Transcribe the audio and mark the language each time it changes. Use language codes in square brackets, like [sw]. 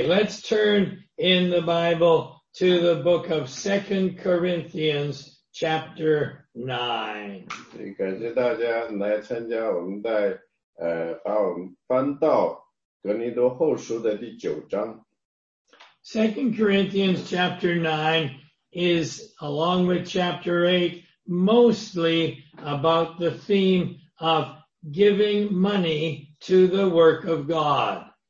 [en] let's turn in the Bible to the book of 2 Corinthians, chapter 9. [zh] 感谢大家，来参加我们的，把我们翻到《格林多后书》的第九章。 [en] 2 Corinthians chapter 9 is, along with chapter 8, mostly about the theme of giving money to the work of God.